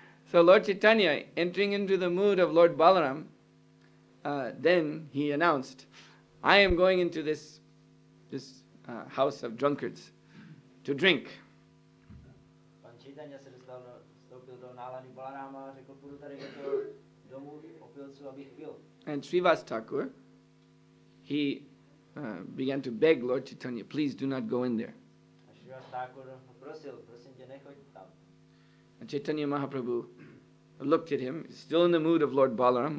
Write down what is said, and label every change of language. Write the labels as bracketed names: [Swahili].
[English] So Lord Chaitanya, entering into the mood of Lord Balaram, then he announced, I am going into this house of drunkards to drink. [Czech] Pan Chaitanya se vstoupil do nálady Balarama a řekl, půjdu tady do toho domu opilců, abych pil. [English] And Srivas Thakur, he began to beg Lord Chaitanya, please do not go in there. [Czech] A Srivas Thakur prosil, prosím tě, nechoď tam. [English] And Chaitanya Mahaprabhu looked at him, still in the mood of Lord Balaram.